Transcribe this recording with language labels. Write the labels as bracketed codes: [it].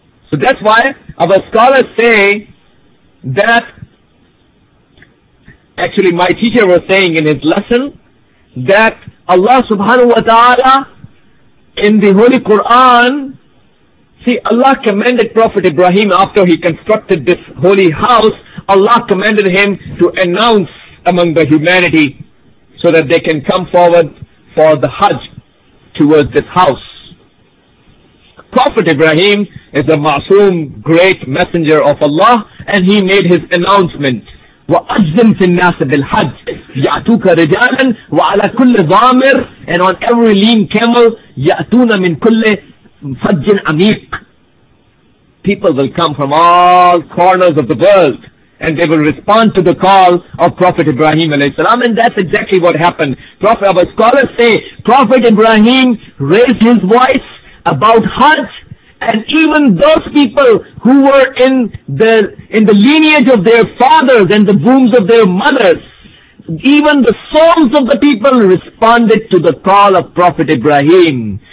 [en] So that's why our scholars say that, actually my teacher was saying in his lesson, that Allah subhanahu wa ta'ala in the Holy Quran, see, Allah commanded Prophet Ibrahim after he constructed this holy house, Allah commanded him to announce among the humanity so that they can come forward for the Hajj towards this house. Prophet Ibrahim is a ma'soom, great messenger of Allah, and he made his announcement. [ar] وَأَجْزِمْ فِي النَّاسِ بِالْحَجِّ يَأْتُوكَ رِجَالًا وَعَلَى كُلِّ ظَامِرٍ [en] and on every lean camel [ar] يَأْتُونَ مِنْ كُلِّ فَجٍ عَمِيقٍ. [en] People will come from all corners of the world, and they will respond to the call of Prophet Ibrahim alayhi salam, and that's exactly what happened. Prophet, our scholars say, Prophet Ibrahim raised his voice about Hajj, and even those people who were in the lineage of their fathers and the wombs of their mothers, even the souls of the people responded to the call of Prophet Ibrahim.